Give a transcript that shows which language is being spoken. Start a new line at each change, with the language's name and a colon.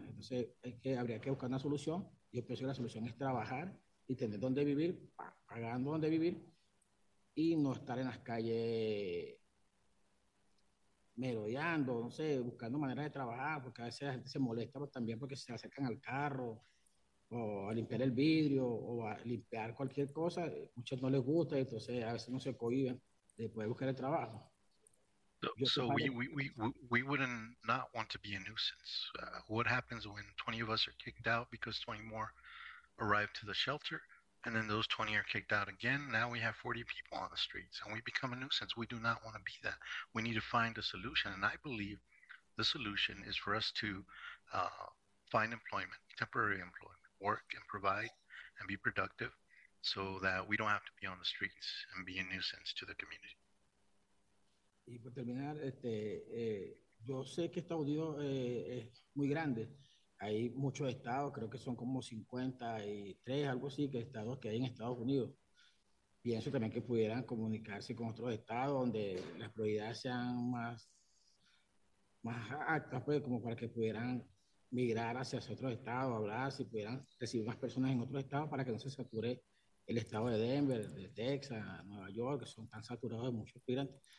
Spanish: Entonces, habría que buscar una solución. Yo pienso que la solución es trabajar y tener donde vivir, pagando donde vivir, y no estar en las calles merodeando, no sé, buscando maneras de trabajar, porque a veces la gente se molesta también porque se acercan al carro o a limpiar el vidrio o a limpiar cualquier cosa. Muchos no les gusta y entonces a veces no se cohiben de poder buscar el trabajo.
English: So we wouldn't not want to be a nuisance. What happens when 20 of us are kicked out because 20 more arrive to the shelter? And then those 20 are kicked out again. Now we have 40 people on the streets and we become a nuisance. We do not want to be that. We need to find a solution. And I believe the solution is for us to find employment, temporary employment, work and provide and be productive so that we don't have to be on the streets and be a nuisance to the community.
Spanish: Y por terminar, yo sé que este audio es muy grande. Hay muchos estados, creo que son como 53, algo así, que estados que hay en Estados Unidos. Pienso también que pudieran comunicarse con otros estados donde las prioridades sean más altas, pues, como para que pudieran migrar hacia otros estados, hablar, si pudieran recibir más personas en otros estados para que no se sature el estado de Denver, de Texas, Nueva York, que son tan saturados de muchos migrantes.